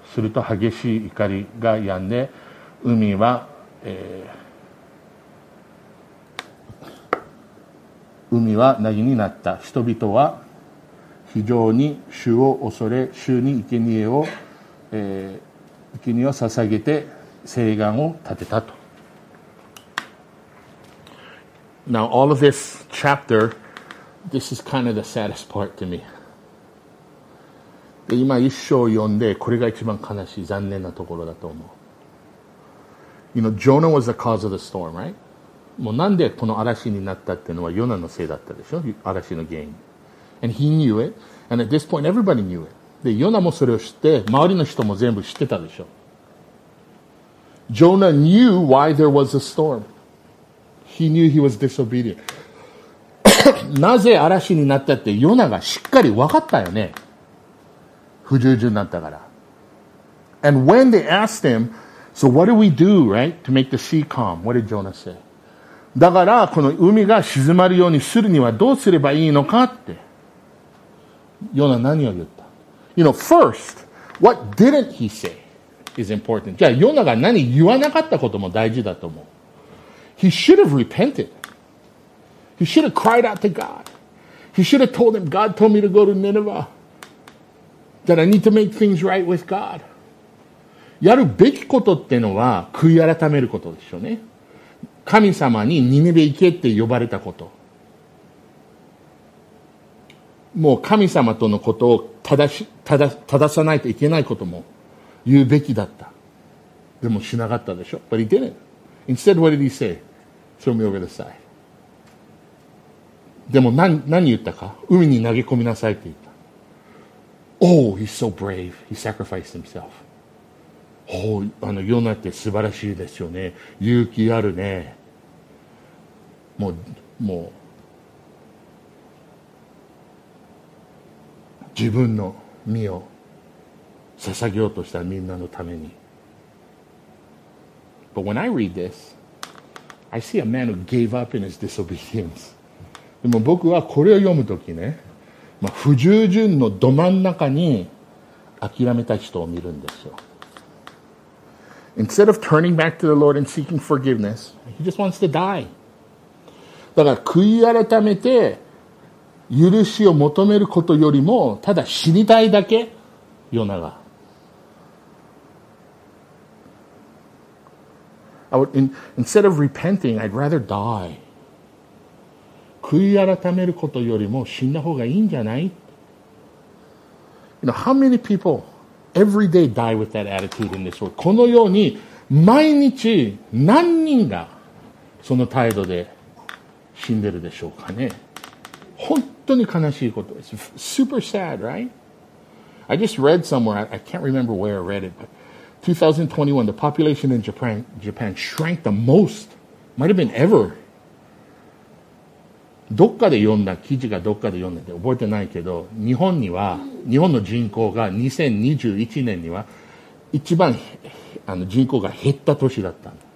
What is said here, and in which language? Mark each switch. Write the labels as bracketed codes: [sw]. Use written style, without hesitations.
[ja] すると激しい怒りが止んで、海は、海は凪になった。人々は非常に主を恐れ、主に生贄を、生贄を捧げて誓願を立てたと。 [en] Now all of this chapter, this is kind of the saddest part to me. [ja] で、今一章を読んで、これが一番悲しい、残念なところだと思う。 [en] You know, Jonah was the cause of the storm, right? [ja] もうなんでこの嵐になったっていうのはヨナのせいだったでしょ、嵐の原因。 [en] And he knew it. And at this point, everybody knew it. [ja] で、ヨナもそれを知って、周りの人も全部知ってたでしょ。 [en] Jonah knew why there was a storm. He knew he was disobedient. [ja] なぜ嵐になったってヨナがしっかり分かったよね。不従順になったから。 [en] And when they asked him, so what do we do, right, to make the sea calm? What did Jonah say? [ja] だから、この海が静まるようにするにはどうすればいいのかって。ヨナ何を言った [en] ？You know, first, what didn't he say is important. [ja] じゃあ、ヨナが何言わなかったことも大事だと思う。 [en] He should have repented. He should have cried out to God. He should have told him, God told me to go to Nineveh. That I need to make things right with God. [ja] やるべきことってのは悔い改めることでしょうね。神様にニネベ行けって呼ばれたこと、もう神様とのことを正さないといけないことも言うべきだった。でもしなかったでしょ。 [en] But he didn't. Instead, what did he say? Throw me over the side. [ja] でも 何言ったか、海に投げ込みなさいって言った。 [en] Oh, he's so brave. He sacrificed himself. [ja] Oh, ヨナって素晴らしいですよね。勇気あるね。もう、自分の身を捧げようとしたみんなのために。 [en] But when I read this, I see a man who gave up in his disobedience. [ja] でも僕はこれを読むときね、まあ、不従順のど真ん中に諦めた人を見るんですよ。 [en] Instead of turning back to the Lord and seeking forgiveness, he just wants to die. [ja] だから悔い改めて許しを求めることよりもただ死にたいだけ、ヨナが。 [en] Instead of repenting, I'd rather die. [ja] 悔い改めることよりも死んだ方がいいんじゃない？ [en] You know, how many people every day die with that attitude in this world? [ja] このように毎日何人がその態度で死んでるでしょうかね。本当に悲しいことです。 [en] Super sad, right? I just read somewhere, I can't remember where I read it, but 2021, the population in Japan shrank the most, might have been ever. [ja] どっかで読んだ記事がどっかで読んだって覚えてないけど、日本には日本の人口が2021年には一番あの人口が減った年だった。